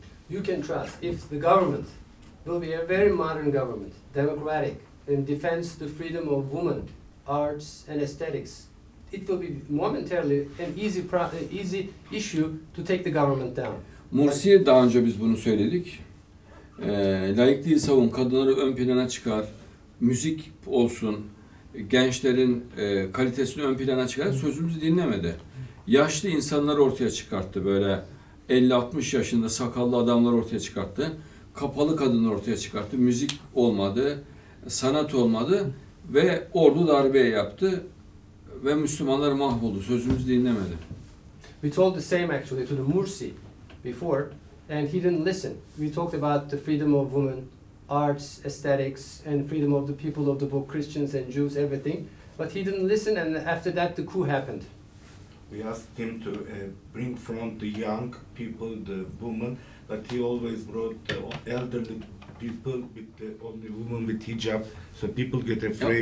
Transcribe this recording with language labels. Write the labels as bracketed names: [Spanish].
[English] You can trust if the government will be a very modern government, democratic, and defends the freedom of women, arts and aesthetics, it will be momentarily an easy issue to take the government down. [Turkish] Mursi'ye daha önce biz bunu söyledik. Laikliği savun, kadınları ön plana çıkar, müzik olsun, gençlerin kalitesini ön plana çıkar. Sözümüzü dinlemedi. Yaşlı insanlar ortaya çıkarttı böyle. 50-60 yaşında sakallı adamlar ortaya çıkarttı. Kapalı kadınlar ortaya çıkarttı. Müzik olmadı, sanat olmadı ve ordu darbeye yaptı ve Müslümanlar mahvoldu. Sözümüzü dinlemedi. [English] We told the same actually to the Mursi before, and he didn't listen. We talked about the freedom of women, arts, aesthetics, and freedom of the people of the book, Christians and Jews, everything. But he didn't listen, and after that, the coup happened. We asked him to bring front the young people, the women, but he always brought the elderly people with the only woman with hijab, so people get afraid.